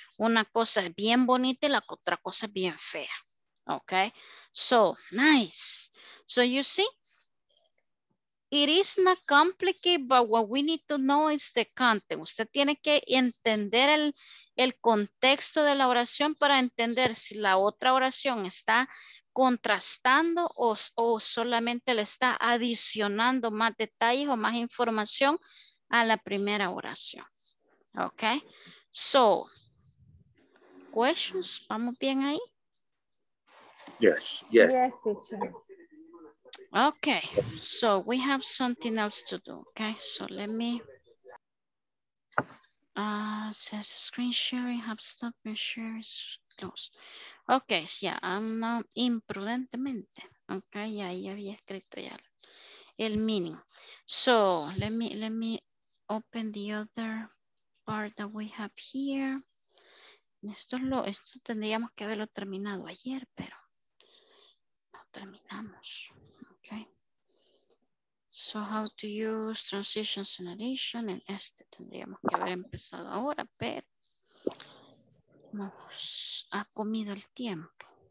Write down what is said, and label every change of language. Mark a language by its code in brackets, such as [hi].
[es] Una cosa es bien bonita y la otra cosa es bien fea. [en] Okay? So, nice. So, you see? It is not complicated, but what we need to know is the content. [es] Usted tiene que entender el contexto de la oración para entender si la otra oración está contrastando o solamente le está adicionando más detalles o más información a la primera oración. [en] Ok. So, questions. [es] ¿Vamos bien ahí? [en] Yes, yes. Yes, teacher. Okay, so we have something else to do. Okay, so let me says screen sharing have stopped and share is closed. Okay, so yeah, I'm now imprudentemente. [es] Okay, yeah, ya había escrito ya el meaning. [en] So let me open the other part that we have here. [es] Esto tendríamos que haberlo terminado ayer, pero no terminamos. [en] Okay, so how to use transitions and addition, and [es] este tendríamos que haber empezado ahora, pero nos ha comido el tiempo.